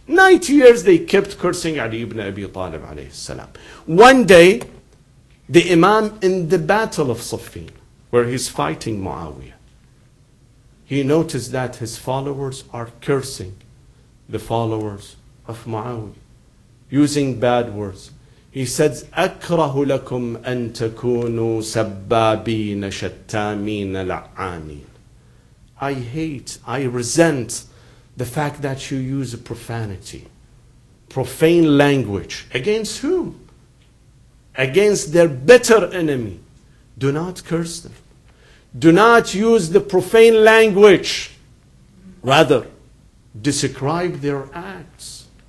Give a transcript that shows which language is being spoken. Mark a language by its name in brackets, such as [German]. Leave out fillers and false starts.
[English] 90 years they kept cursing Ali ibn Abi Talib alayhi salam. One day, the imam in the battle of Safin, where he's fighting Muawiyah, he noticed that his followers are cursing the followers of Muawiyah, using bad words. He says, [Arabic] أَكْرَهُ لَكُمْ أَن تَكُونُوا سَبَّابِينَ شَتَّامِينَ لَعَانِينَ. [English] I hate, I resent the fact that you use profanity, profane language. Against whom? Against their bitter enemy. Do not curse them. Do not use the profane language. Rather, describe their acts.